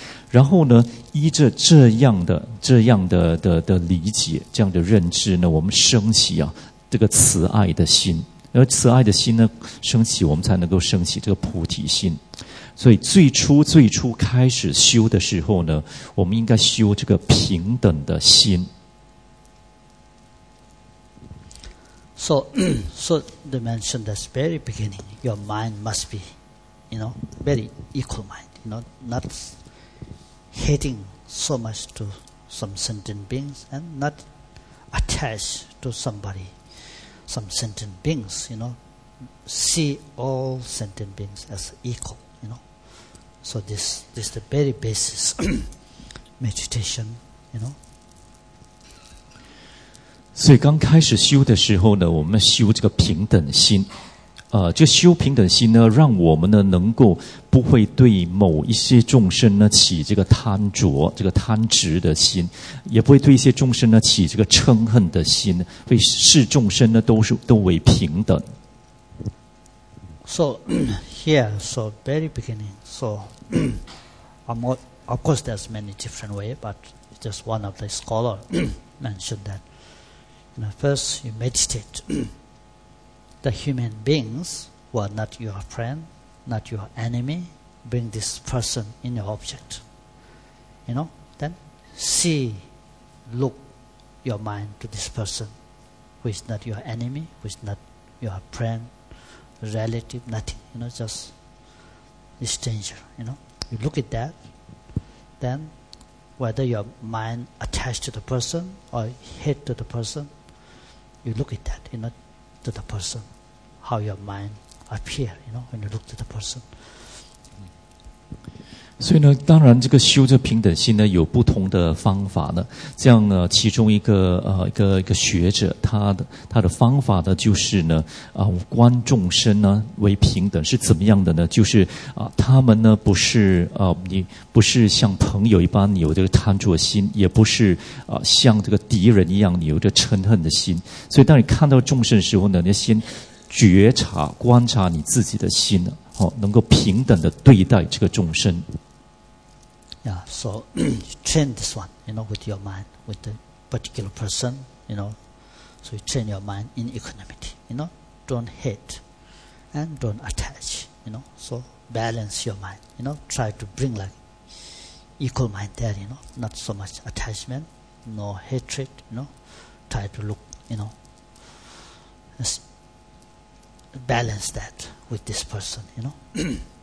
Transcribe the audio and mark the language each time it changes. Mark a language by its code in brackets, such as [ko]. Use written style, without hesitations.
[zh] 然后呢，依着这样的理解，这样的认知呢，我们升起啊这个慈爱的心，而慈爱的心呢升起，我们才能够升起这个菩提心。所以最初开始修的时候呢，我们应该修这个平等的心。 [en] So they mentioned that very beginning, your mind must be, you know, very equal mind, you know, not hating so much to some sentient beings and not attached to somebody, some sentient beings, you know, see all sentient beings as equal. So this is the very basis meditation, you know. [zh] 所以刚开始修的时候呢，我们修这个平等心，就修平等心呢，让我们呢能够不会对某一些众生呢起这个贪着、这个贪执的心，也不会对一些众生呢起这个嗔恨的心，会视众生呢都为平等。 [en] So here, so very beginning, so of course there's many different ways, but just one of the scholar mentioned that, you know, first you meditate. The human beings who are not your friend, not your enemy, bring this person in your object. You know, then see, look your mind to this person who is not your enemy, who is not your friend. Relative, nothing, you know, just a stranger, you know. You look at that, then whether your mind attached to the person or hate to the person, you look at that, you know, to the person, how your mind appear, you know, when you look to the person. [zh] 所以呢，当然这个修这平等心呢，有不同的方法呢。这样呢，其中一个学者，他的方法呢，就是呢，观众生呢为平等是怎么样的呢？就是他们呢不是你不是像朋友一般你有这个贪着心，也不是像这个敌人一样你有这嗔恨的心。所以当你看到众生的时候呢，你要先觉察观察你自己的心呢。能够平等的对待这个众生。 [en] Yeah, so you train this one, you know, with your mind, with the particular person, you know. So you train your mind in equanimity, you know, don't hate and don't attach, you know. So balance your mind. You know, try to bring like equal mind there, you know, not so much attachment, no hatred, you know, try to look, you know, balance that with this person, you know.